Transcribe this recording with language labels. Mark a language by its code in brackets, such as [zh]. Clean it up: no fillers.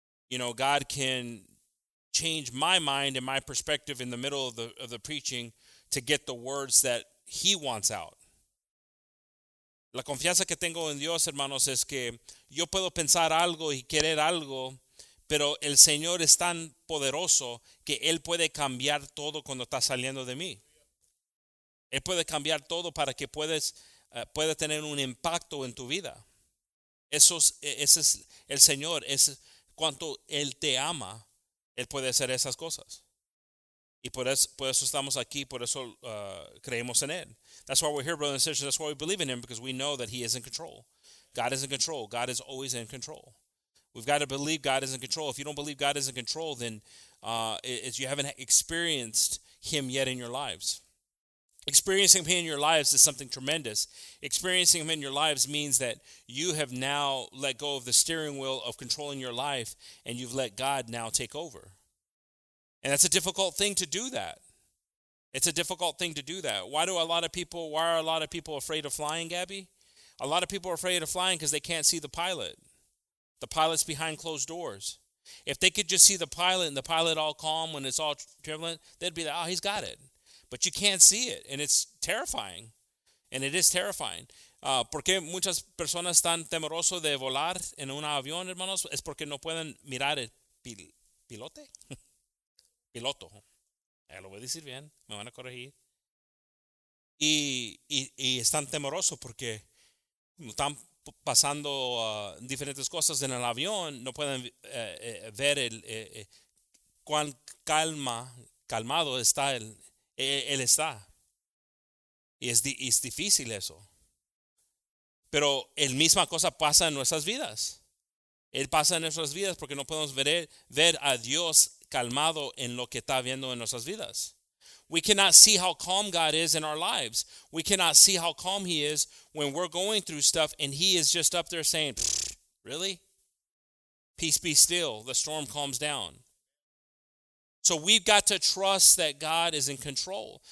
[en] You know, God can change my mind and my perspective in the middle of the preaching to get the words that he wants out. [es] La confianza que tengo en Dios, hermanos, es que yo puedo pensar algo y querer algo, pero el Señor es tan poderoso que Él puede cambiar todo cuando está saliendo de mí. Él puede cambiar todo para que pueda tener un impacto en tu vida. Ese es el Señor, es cuanto Él te ama, Él puede hacer esas cosas. Y por eso estamos aquí, por eso creemos en Él. [en] That's why we're here, brothers and sisters. That's why we believe in Him, because we know that He is in control. God is in control. God is always in control. We've got to believe God is in control. If you don't believe God is in control, then you haven't experienced Him yet in your lives. Experiencing Him in your lives is something tremendous. Experiencing Him in your lives means that you have now let go of the steering wheel of controlling your life, and you've let God now take over. And that's a difficult thing to do that. It's a difficult thing to do that. Why are a lot of people afraid of flying, Gabby? A lot of people are afraid of flying because they can't see the pilot. The pilot's behind closed doors. If they could just see the pilot and the pilot all calm when it's all turbulent, they'd be like, oh, he's got it. But you can't see it, and it's terrifying. And it is terrifying. [es] ¿Por qué muchas personas están temerosos de volar en un avión, hermanos? Es porque no pueden mirar el pilote. Piloto. Ya lo voy a decir bien. Me van a corregir. Y están temerosos porque están pasando diferentes cosas en el avión. No pueden ver cuán calmado está él está. Y es difícil eso. Pero la misma cosa pasa en nuestras vidas. Él pasa en nuestras vidas porque no podemos ver a Dios calmado en lo que está viendo en nuestras vidas. [en] We cannot see how calm God is in our lives. We cannot see how calm He is when we're going through stuff and He is just up there saying, really? Peace be still. The storm calms down. So we've got to trust that God is in control.